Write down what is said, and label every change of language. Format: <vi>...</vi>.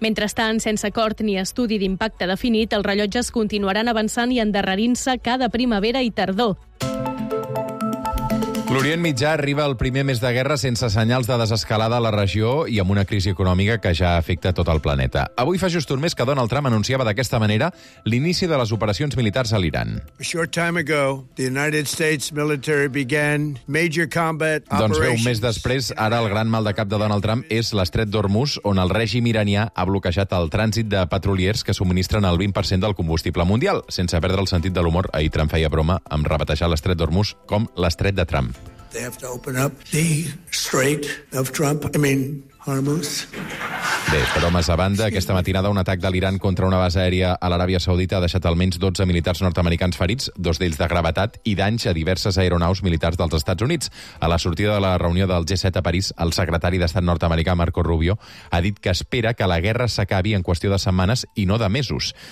<ca>Mentrestant, sense acord ni estudi d'impacte definit, els rellotges continuaran avançant i endarrerint-se cada primavera i tardor. L'Orient Mitjà arriba al primer mes de guerra sense senyals de desescalada a la regió i amb una crisi econòmica que ja afecta tot el planeta. Avui fa just un mes que Donald Trump anunciava d'aquesta manera l'inici de les operacions militars a l'Iran.</ca> <en>A short time ago, the United States military began major combat operations.</en> <ca>Doncs bé, un mes després, ara el gran mal de cap de Donald Trump és l'estret d'Hormuz, on el règim iranià ha bloquejat el trànsit de petroliers que subministren el 20% del combustible mundial. Sense perdre el sentit de l'humor, ahir Trump feia broma amb rebatejar l'estret d'Hormuz com l'estret de Trump.</ca> <en>They have to open up the Strait of Trump. Hormuz.</en> <ca>Bé, però més a banda, aquesta matinada un atac de l'Iran contra una base aèria a l'Aràbia Saudita ha deixat almenys 12 militars nord-americans ferits, dos d'ells de gravetat, i danys a diverses aeronaus militars dels Estats Units. A la sortida de la reunió del G7 a París, el secretari d'Estat nord-americà, Marco Rubio, ha dit que espera que la guerra s'acabi en qüestió de setmanes i no de mesos.</ca>